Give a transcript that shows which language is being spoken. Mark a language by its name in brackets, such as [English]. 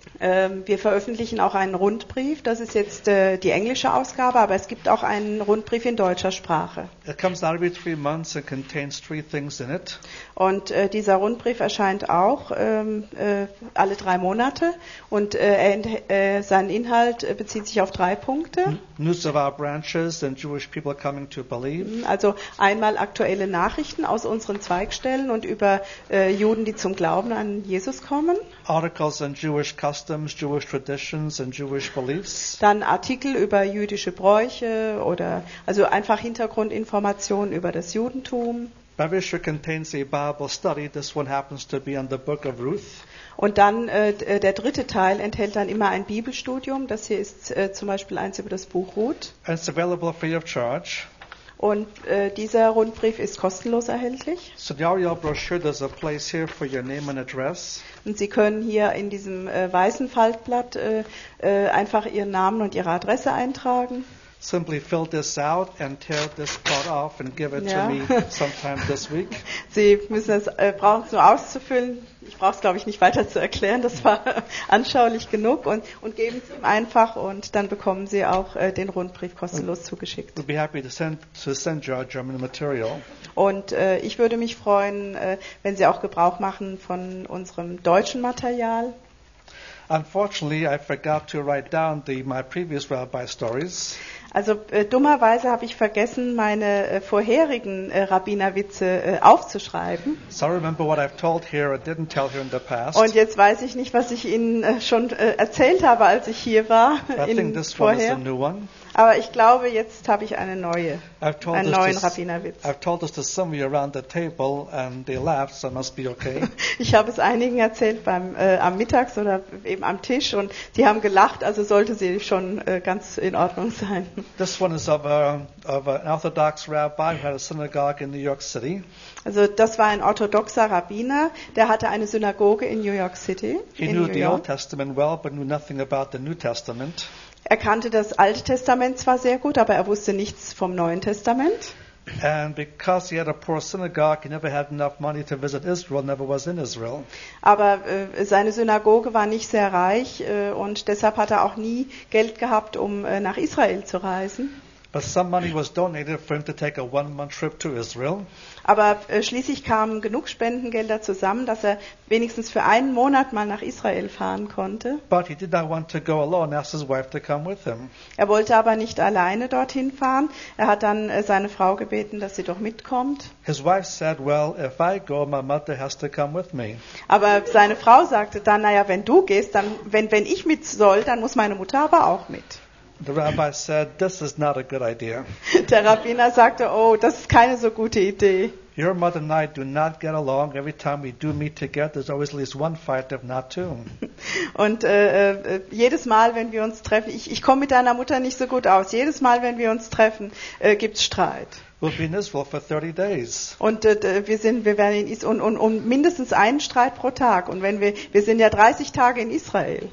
[German] Wir veröffentlichen auch einen Rundbrief. Das ist jetzt die englische Ausgabe, aber es gibt auch einen Rundbrief in deutscher Sprache. [English] It comes out every 3 months and contains 3 things in it. [German] Und dieser Rundbrief erscheint auch alle 3 Monate und sein Inhalt bezieht sich auf 3 Punkte. [English] News of our branches and Jewish people coming to believe. [German] Also einmal aktuelle Nachrichten aus unseren Zweigstellen und über Juden, die zum Glauben an Jesus kommen. [English] Articles on Jewish customs, Jewish traditions and Jewish beliefs. [German] Dann Artikel über jüdische Bräuche oder also einfach Hintergrundinformationen über das Judentum. [English] Bavishra contains a Bible study. This one happens to be on the book of Ruth. [German] Und dann der dritte Teil enthält dann immer ein Bibelstudium. Das hier ist zum Beispiel eins über das Buch Ruth. [English] It's available free of charge. [German] Und dieser Rundbrief ist kostenlos erhältlich. [English] So the Ariel brochure, there's a place here for your name and address. [German] Und Sie können hier in diesem weißen Faltblatt einfach Ihren Namen und Ihre Adresse eintragen. [English] Simply fill this out and tear this part off and give it to me sometime this week. [German] Sie müssen es brauchen es nur auszufüllen. Ich brauche es, glaube ich, nicht weiter zu erklären. Das war anschaulich genug. Und geben Sie ihm einfach und dann bekommen Sie auch den Rundbrief kostenlos zugeschickt. [English] We'll be happy to send you our German material. [German] Und ich würde mich freuen, wenn Sie auch Gebrauch machen von unserem deutschen Material. [English] Unfortunately, I forgot to write down my previous rabbi stories. [German] Also dummerweise habe ich vergessen, meine vorherigen Rabbinerwitze aufzuschreiben. [English] So I remember what I've told here or didn't tell here in the past. [German] Und jetzt weiß ich nicht, was ich Ihnen schon erzählt habe, als ich hier war. [English] I think this [German] vorher. [English] One is a new one. [German] Aber ich glaube, jetzt habe ich einen neuen Rabbinerwitz. [English] I've told this to somebody around the table and they laughed, so it must be okay. [German] Ich habe es einigen erzählt am Mittags oder eben am Tisch und sie haben gelacht, also sollte sie schon ganz in Ordnung sein. [English] This one is of an Orthodox rabbi who had a synagogue in New York City. [German] Also das war ein orthodoxer Rabbiner, der hatte eine Synagoge in New York City. [English] He knew the Old Testament well, but knew nothing about the New Testament. [German] Er kannte das Alte Testament zwar sehr gut, aber er wusste nichts vom Neuen Testament. [English] And because he had a poor synagogue, he never had enough money to visit Israel, never was in Israel. [German] Aber seine Synagoge war nicht sehr reich und deshalb hat er auch nie Geld gehabt, um nach Israel zu reisen. [English] But some money was donated for him to take a 1 month trip to Israel. [German] Aber schließlich kamen genug Spendengelder zusammen, dass er wenigstens für einen Monat mal nach Israel fahren konnte. [English] But he did not want to go alone, asked his wife to come with him. [German] Er wollte aber nicht alleine dorthin fahren. Er hat dann seine Frau gebeten, dass sie doch mitkommt. [English] His wife said, well, if I go, my mother has to come with me. [German] Aber seine Frau sagte dann, naja, wenn du gehst, dann wenn ich mit soll, dann muss meine Mutter aber auch mit. [English] The rabbi said, "This is not a good idea." [German] Der Rabbiner sagte, "Oh, das ist keine so gute Idee." [English] Your mother and I do not get along. Every time we do meet together, there's always at least one fight, if not two. [German] Und jedes Mal, wenn wir uns treffen, ich komme mit deiner Mutter nicht so gut aus. Jedes Mal, wenn wir uns treffen, gibt's Streit. [English] We'll be in Israel for 30 days. [German] Und wir werden in Israel und mindestens einen Streit pro Tag. Und wenn wir sind ja 30 Tage in Israel.